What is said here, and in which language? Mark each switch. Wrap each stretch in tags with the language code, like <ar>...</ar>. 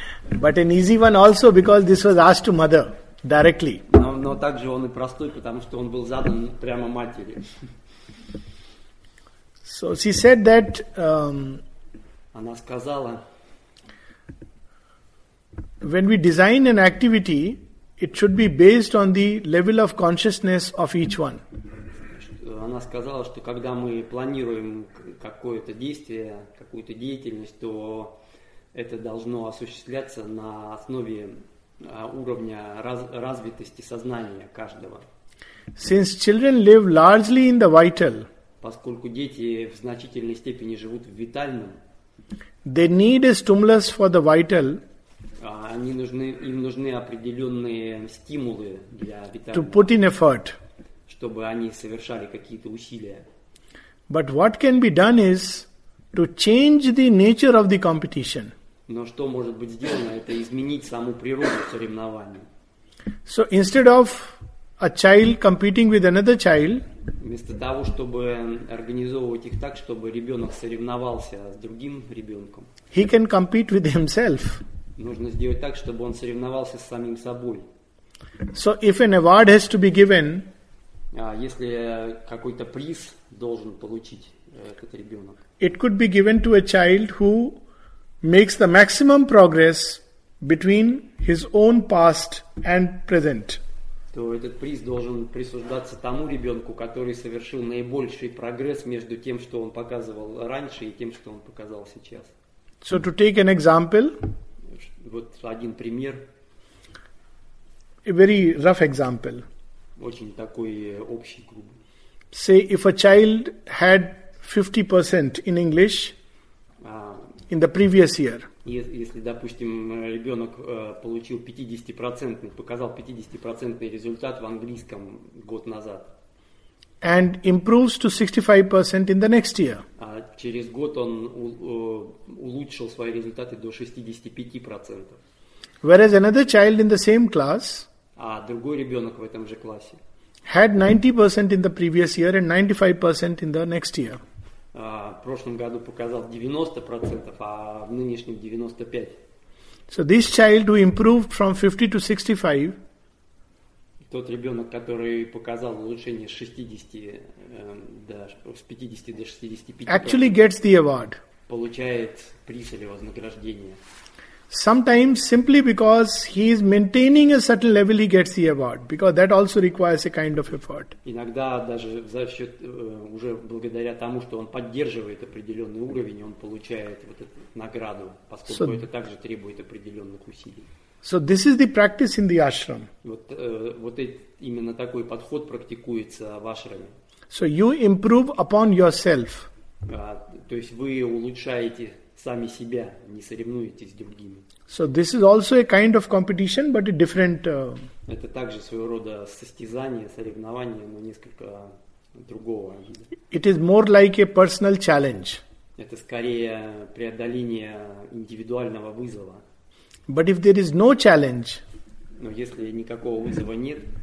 <en>But an easy one also, because this was asked to mother directly.</en> <ru>Но также он и простой, потому что он был задан прямо матери.</ru> <en>So she said that.</en> <ru>Она сказала.</ru> <en>When we design an activity, it should be based on the level of consciousness of each one.</en> <ru>Она сказала, что когда мы планируем какое-то действие, какую-то деятельность, то это должно осуществляться на основе уровня развитости сознания каждого.</ru> <en>Since children live largely in the vital,</en> <ru>поскольку дети в значительной степени живут в витальном,</ru> <en>they need a stimulus for the vital.</en> <ru>Они нужны, им нужны определенные стимулы для витального,</ru> <en>to put in effort,</en> <ru>чтобы они совершали какие-то усилия.</ru> <en>But what can be done is to change the nature of the competition.</en> <ru>Но что может быть сделано, это изменить саму природу соревнований.</ru> <en>So instead of a child competing with another child,</en> <ru>вместо того, чтобы организовывать их так, чтобы ребенок соревновался с другим ребенком,</ru> <en>he can compete with himself.</en> <ru>Нужно сделать так, чтобы он соревновался с самим собой.</ru> <en>So if an award has to be given,</en> <ru>если какой-то приз должен получить этот ребенок,</ru> <en>it could be given to a child who makes the maximum progress between his own past and present.</en> <ru>То этот приз должен присуждаться тому ребенку, который совершил наибольший прогресс между тем, что он показывал раньше, и тем, что он показал сейчас.</ru> <en>So to take an example,</en> <ru>вот один пример.</ru> <en>A very rough example.</en> <ru>Очень такой общий, грубый.</ru> <en>Say, if a child had 50% in English in the previous year.</en> <ru>Если, допустим, ребенок получил 50%, показал 50% результат в английском год назад.</ru> <en>And improves to 65% in the next year.</en> <ru>Через год он улучшил свои результаты до 65%.</ru> <en>Whereas another child in the same class,</en> <ru>а другой ребенок в этом же классе,</ru> <en>had 90% in the previous year and 95% in the next year.</en> <ru>В прошлом году показал 90%, а в нынешнем 95%.</ru> <en>So this child who improved from 50 to 65,</en> <ru>тот ребенок, который показал улучшение с 60 до, с 50 до 65,</ru> <en>actually gets the award.</en> <ru>Получает приз или вознаграждение.</ru> <en>Sometimes simply because he is maintaining a certain level, he gets the award, because that also requires a kind of effort.</en> <ru>Иногда даже за счет уже благодаря тому, что он поддерживает определенный уровень, он получает вот эту награду, поскольку это также требует определенных усилий.</ru> <en>So this is the practice in the ashram.</en> <ru>Вот именно такой подход практикуется в ашраме.</ru> <en>So you improve upon yourself.</en> <ru>То есть вы улучшаете сами себя, не соревнуетесь с другими.</ru> <en>So this is also a kind of competition, but a different.</en> <ru>Это также своего рода состязание, соревнование, но несколько другого вида.</ru> <en>It is more like a personal challenge.</en> <ru>Это скорее преодоление индивидуального вызова.</ru> <en>But if there is no challenge,</en> <ru>но если никакого вызова нет,</ru>